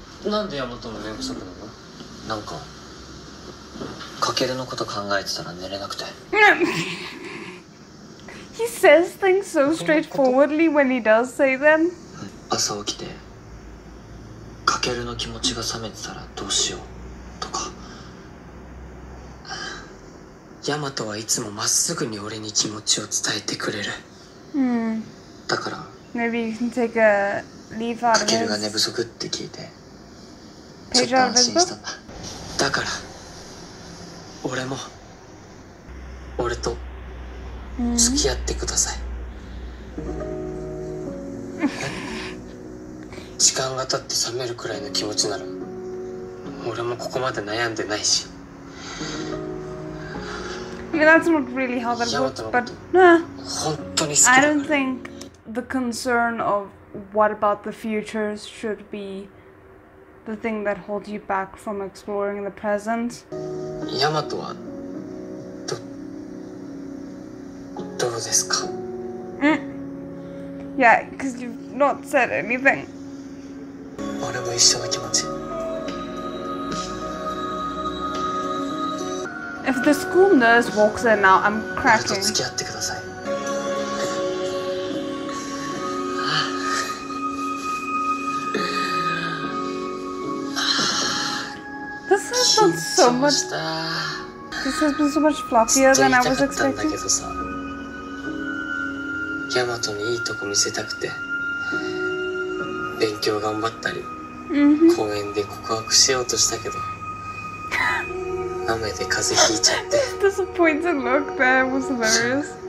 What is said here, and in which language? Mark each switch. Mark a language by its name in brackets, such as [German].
[Japanese] なんで山との寝不足なの？なんか、かけるのこと考えてたら寝れなくて。 [English] He says things so straightforwardly when he does say them. [Japanese] 朝起きて。かけるの気持ちが冷めてたらどうしようとか。ヤマトはいつもまっすぐに俺に気持ちを伝えてくれる。だから。 [English] Maybe you can take a leaf out of his. [Japanese] かけるが寝不足って聞いて。ちょっと安心したんだ。だから。俺も。俺と。付き合ってください。時間が経って冷めるくらいの気持ちなら俺もここまで悩んでないし。 [English] I mean, that's not really how that works, but nah. [Japanese] 本当に好きだから。 [English] I don't think the concern of what about the future should be the thing that holds you back from exploring the present. [Japanese] ヤマトはどうですか？ [English] Yeah, because you've not said anything. [Japanese] 俺も一緒の気持ち。 [English] If the school nurse walks in now, I'm cracking. [Japanese] 俺と付き合ってください。 [English] This has been so much This has been so much fluffier than I was expecting. [Japanese] ヤマトにいいとこ見せたくて勉強頑張ったり、公園で告白しようとしたけど、雨で風邪ひいちゃって。 [English] Disappointed look there was hilarious.